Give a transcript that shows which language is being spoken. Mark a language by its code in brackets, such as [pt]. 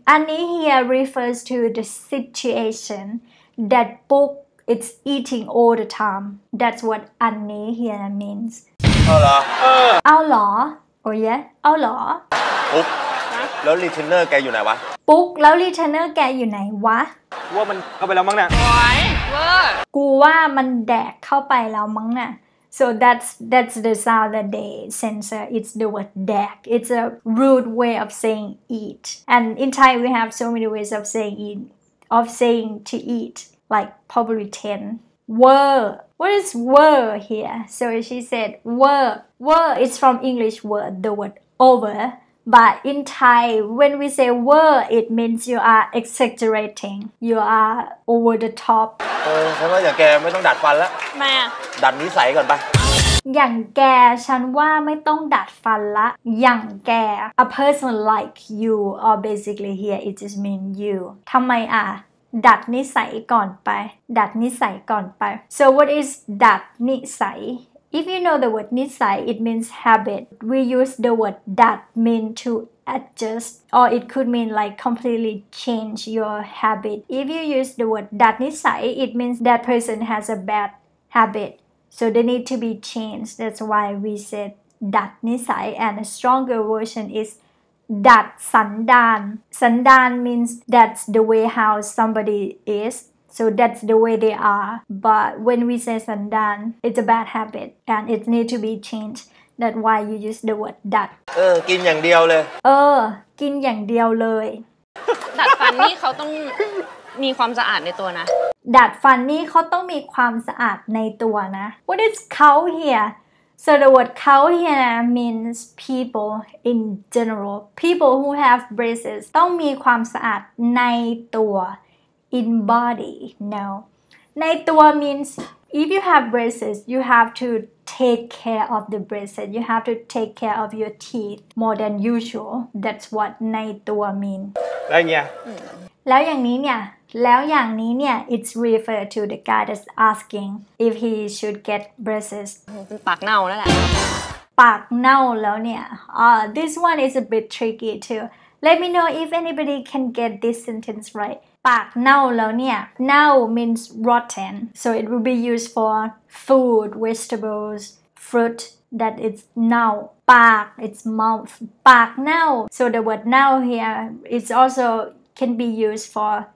[en] Anni here refers to the situation that book is eating all the time. That's what Anni here means. [th] เอาเหรอ เอาเหรอ [en] Oh yeah, [th] เอาเหรอ ปุ๊กแล้วรีเทนเนอร์แกอยู่ไหนวะ ปุ๊กแล้วรีเทนเนอร์แกอยู่ไหนวะ ว่ามันเข้าไปแล้วมั้งเนี่ย โอ้ยเวอร์กูว่ามันแดกเข้าไปแล้วมั้งเนี่ย [en] So that's the sound that they censor. It's the word dak. It's a rude way of saying eat. And in Thai, we have so many ways of saying eat, of saying to eat, like probably 10. Were. What is were here? So she said were. Were is from English word, the word over. But in Thai, when we say were, it means you are exaggerating. You are over the top. [th] ฉันว่าอย่างแกไม่ต้องดัดฟันแล้ว ทำไมอ่ ะ ดัดนิสัยก่อนไป อย่างแกฉันว่าไม่ต้องดัดฟันละอย่างแก [en] A person like you or basically here it just mean you [th] ทำไมอ่ะดัดนิสัยก่อนไปดัดนิสัยก่อนไป [en] So what is ดัดนิสัย If you know the word นิสัย it means habit We use the word ดัด mean toAdjust, or it could mean like completely change your habit. If you use the word dat nisai, it means that person has a bad habit, so they need to be changed. That's why we said dat nisai, and a stronger version is dat sandan. Sandan means that's the way how somebody is. So that's the way they are. But when we say sandan, it's a bad habit and it need to be changed. That's why you use the word dat. [th] เออกินอย่างเดียวเลย เออกินอย่างเดียวเลย ดัดฟันนี่เขาต้องมีความสะอาดในตัวนะ ดัดฟันนี่เขาต้องมีความสะอาดในตัวนะ [en] What is cow here? So the word cow here means people in general. People who have braces [th] ต้องมีความสะอาดในตัว [en] In body, no. ในตัว means if you have braces, you have to take care of the braces. You have to take care of your teeth more than usual. That's what ในตัว means. [th] แล้วเนี่ย แล้วอย่างนี้เนี่ยแล้วอย่างนี้เนี่ย [en] it's referred to the guy that's asking if he should get braces. [th] ปากเน่าแล้วแหละ ปากเน่าแล้วเนี่ย [en] this one is a bit tricky too. Let me know if anybody can get this sentence right. [th] ปากเน่าแล้วเนี่ย [en] Now means rotten so it will be used for food vegetables fruit that is now ปาก it's mouth ปากเน่า so the word now here it's also can be used for